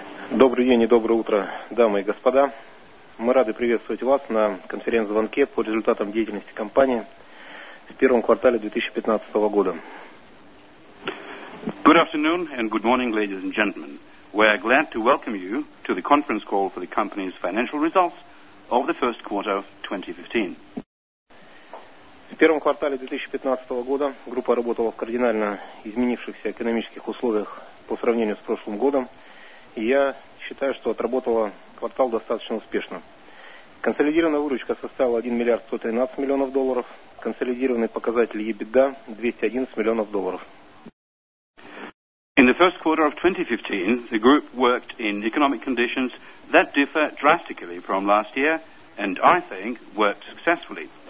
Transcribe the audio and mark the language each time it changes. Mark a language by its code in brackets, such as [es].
[ru] Добрый день и доброе утро, дамы и господа. Мы рады приветствовать вас на конференц-звонке по результатам деятельности компании в первом квартале 2015 года. [en] Good afternoon and good morning, ladies and gentlemen. We are glad to welcome you to the conference call for the company's financial results of the first quarter 2015. [ru] В первом квартале 2015 года группа работала в кардинально изменившихся экономических условиях по сравнению с прошлым годом, и я считаю, что отработала квартал достаточно успешно. Консолидированная выручка составила 1 миллиард 113 миллионов долларов. Консолидированный показатель EBITDA 211 миллионов долларов. [en] In the first quarter of 2015, the group worked in economic conditions that differ drastically from last year and I think worked successfully.